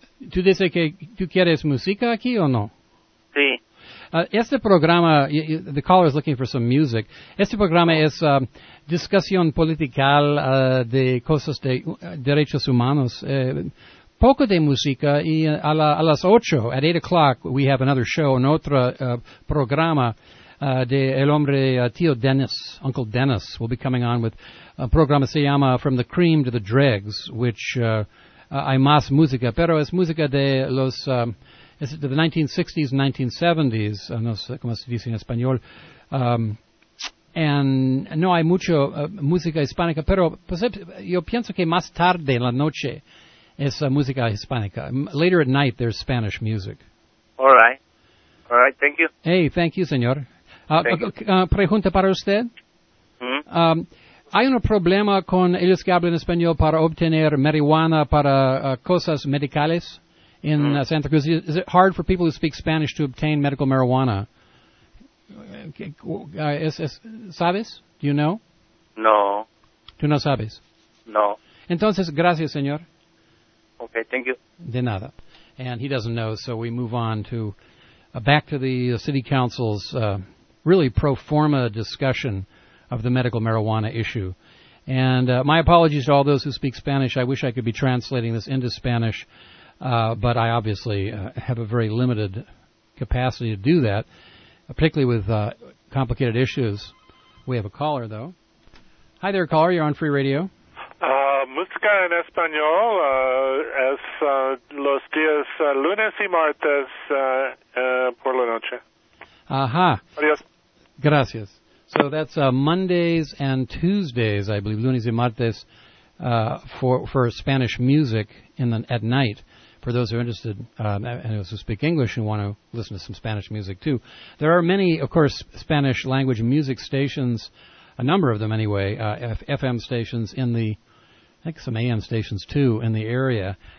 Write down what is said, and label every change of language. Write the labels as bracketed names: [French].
[Spanish] ¿Tú dices que tú quieres música aquí o no? Sí. Este programa, [English] the caller is looking for some music. [Spanish] Este programa es discusión political de cosas de derechos humanos. Poco de música y a las ocho, [English] at 8 o'clock, we have another show, [Spanish] en otro programa de El Hombre Tío Dennis, Uncle Dennis, [English] will be coming on with [Spanish] a programa se llama From the Cream to the Dregs, which hay más música, pero es música de los es de [English] the 1960s and 1970s, [Spanish] no sé cómo se dice en español, and no hay mucho música hispánica, pero pues, yo pienso que más tarde en la noche es música hispánica. [English] Later at night, there's Spanish music. All right. All right, thank you. Hey, thank you, [Spanish] señor. Pregunta para usted. Mm-hmm. ¿Hay un problema con ellos que hablan español para obtener marihuana para cosas medicales en Santa Cruz? [English] Is it hard for people who speak Spanish to obtain medical marijuana? [Spanish] ¿Sabes? [English] Do you know? [Spanish] No. ¿Tú no sabes? No. Entonces, gracias, señor. [English] Okay, thank you. [Spanish] De nada. [English] And he doesn't know, so we move on to back to the city council's really pro forma discussion of the medical marijuana issue. And my apologies to all those who speak Spanish. I wish I could be translating this into Spanish, but I obviously have a very limited capacity to do that, particularly with complicated issues. We have a caller, though. Hi there, caller. You're on Free Radio. [Spanish] Música en español es los días lunes y martes por la noche. Ajá. Adiós. Gracias. [English] So that's Mondays and Tuesdays, I believe, [Spanish] lunes y martes, [English] for Spanish music in the at night, for those who are interested and those who speak English and want to listen to some Spanish music, too. There are many, of course, Spanish-language music stations, a number of them anyway, FM stations in the, I think some AM stations, too, in the area.